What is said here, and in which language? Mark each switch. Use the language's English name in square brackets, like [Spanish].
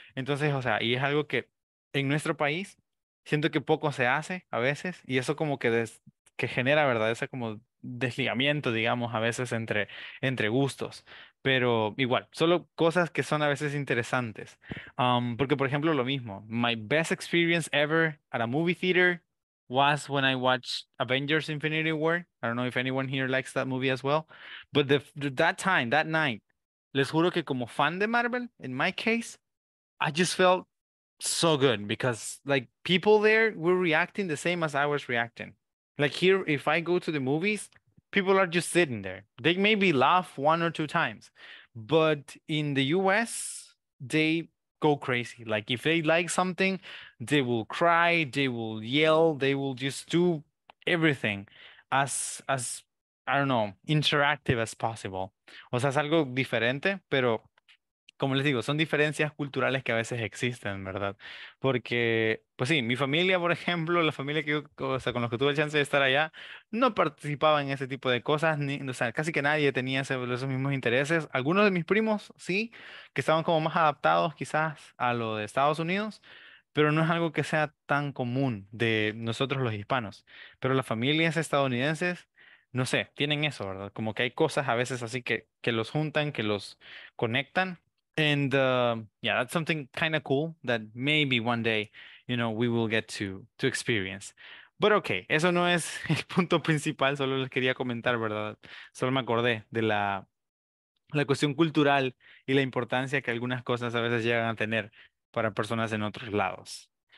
[Spanish] Entonces, o sea, y es algo que en nuestro país siento que poco se hace a veces, y eso como que que genera, ¿verdad?, ese como desligamiento, digamos, a veces entre gustos. Pero igual, solo cosas que son a veces interesantes. Porque, por ejemplo, lo mismo. [English] My best experience ever at a movie theater was when I watched Avengers Infinity War. I don't know if anyone here likes that movie as well. But that time, that night, [Spanish] les juro que como fan de Marvel, [English] in my case, I just felt so good. Because, like, people there were reacting the same as I was reacting. Like, here, if I go to the movies, people are just sitting there. They maybe laugh one or two times. But in the US, they go crazy. Like, if they like something, they will cry, they will yell, they will just do everything as I don't know, interactive as possible. [Spanish] O sea, es algo diferente, pero como les digo, son diferencias culturales que a veces existen, ¿verdad? Porque, pues sí, mi familia, por ejemplo, la familia que yo, o sea, con los que tuve la chance de estar allá, no participaba en ese tipo de cosas, ni, o sea, casi que nadie tenía esos mismos intereses. Algunos de mis primos, sí, que estaban como más adaptados quizás a lo de Estados Unidos, pero no es algo que sea tan común de nosotros los hispanos. Pero las familias estadounidenses, no sé, tienen eso, ¿verdad? Como que hay cosas a veces así que los juntan, que los conectan. [English] And yeah, that's something kind of cool that maybe one day, you know, we will get to experience. [Spanish] But okay, eso no es el punto principal, solo les quería comentar, ¿verdad? Solo me acordé de la cuestión cultural y la importancia que algunas cosas a veces llegan a tener para personas en otros lados.